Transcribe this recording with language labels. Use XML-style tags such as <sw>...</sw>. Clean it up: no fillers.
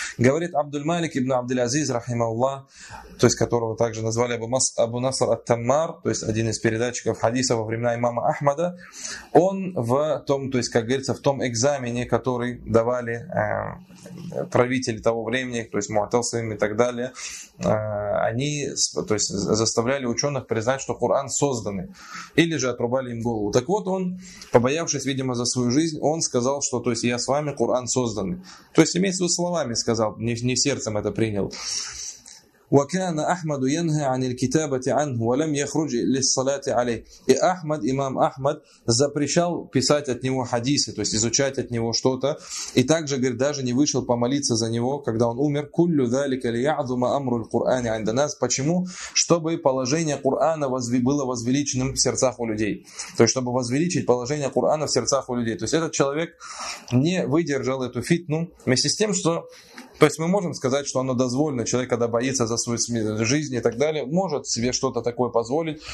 <ru>Говорит, Абдул-Малик ибн Абдул-Азиз, рахималлах, то есть которого также назвали Абу Наср ат-Таммар, то есть один из передатчиков хадиса во времена имама Ахмада, он в том, то есть, как говорится, в том экзамене, который давали правители того времени, то есть муатасим и так далее, они, то есть, заставляли ученых признать, что Коран созданный, или же отрубали им голову. Так вот, он, побоявшись, видимо, за свою жизнь, он сказал, что, то есть, я с вами, Коран созданный. То есть, имеется в виду, словами сказал, не сердцем это принял.</ru> <ar>وكان أحمد ينهى عن الكتابة عنه ولم يخرج للصلاة عليه.</ar> <ru>И Ахмад, имам Ахмад, запрещал писать от него хадисы, то есть изучать от него что-то. И также, говорит, даже не вышел помолиться за него, когда он умер.</ru> <ar>Куллю ذَلِكَ لِيَعْظُمَ أَمْرُ الْقُرْآنِ عِنْدَ нас.</ar> <ru>Почему? Чтобы положение Кур'ана было возвеличенным в сердцах у людей. То есть, чтобы возвеличить положение Кур'ана в сердцах у людей. То есть, этот человек не выдержал эту фитну вместе с тем, что... То есть мы можем сказать, что оно дозволено. Человек, когда боится за свою жизнь и так далее, может себе что-то такое позволить.</ru>